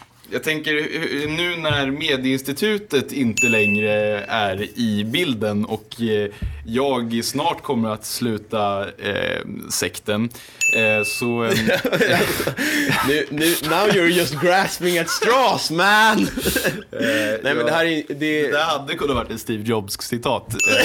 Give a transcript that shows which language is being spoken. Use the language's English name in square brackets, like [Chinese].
[Swedish] Jag tänker, nu när Medieinstitutet inte längre är i bilden och jag snart kommer att sluta sekten, så... [English] nu, now you're just grasping at straws, man! [Swedish] Nej, men det hade kunnat varit ett Steve Jobs-citat.